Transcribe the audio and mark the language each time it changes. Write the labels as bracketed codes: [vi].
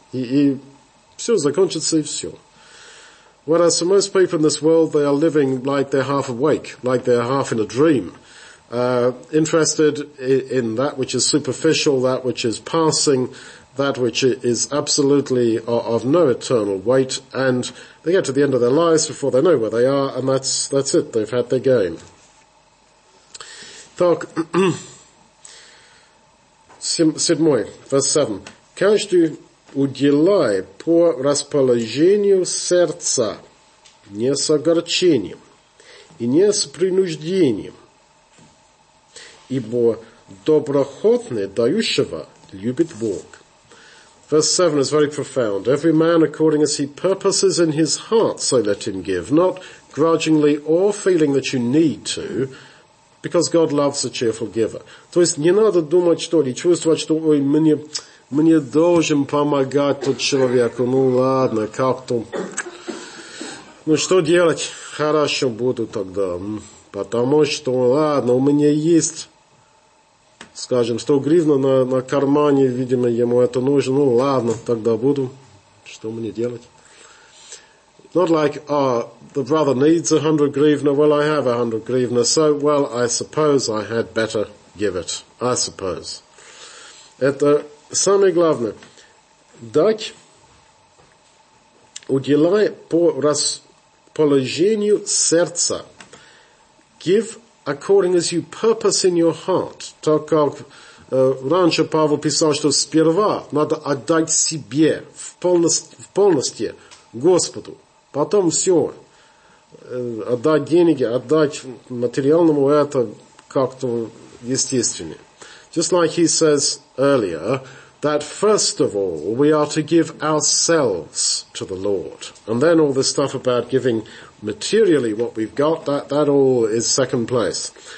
[ru] И все, закончится и все. [en] Whereas for most people in this world, they are living like they're half awake, like they're half in a dream. Interested in that which is superficial, that which is passing, that which is absolutely of no eternal weight, and they get to the end of their lives before they know where they are, and that's it, they've had their game. [ru] Так, седьмой, [en] verse 7. [ru] Каждый уделай по расположению сердца, не с огорчением и не с принуждением, ибо доброхотный дающего любит Бог. [en] Verse 7 is very profound. Every man according as he purposes in his heart, so let him give, not grudgingly or feeling that you need to, because God loves a cheerful giver. [ru] То есть не надо думать, что ли, чувствовать, что ой, мне должен помогать тот человеку. Ну ладно, как-то. Ну что делать? Хорошо буду тогда. Потому что, ладно, у меня есть... Скажем, 100 гривен на кармане, видимо, ему это нужно. Ну, ладно, тогда буду. Что мне делать? [en] Not like, the brother needs 100 гривен. Well, I have 100 гривен. So, well, I suppose I had better give it. I suppose. [ru] Это самое главное, дать, уделяй по расположению сердца. [en] Give according as you purpose in your heart. [ru] Так как раньше Павел писал, что сперва надо отдать себе в полности Господу. Потом все. Отдать деньги, отдать материальному, это как-то естественнее. [en] Just like he says earlier, that first of all, we are to give ourselves to the Lord. And then all this stuff about giving materially what we've got, that all is second place.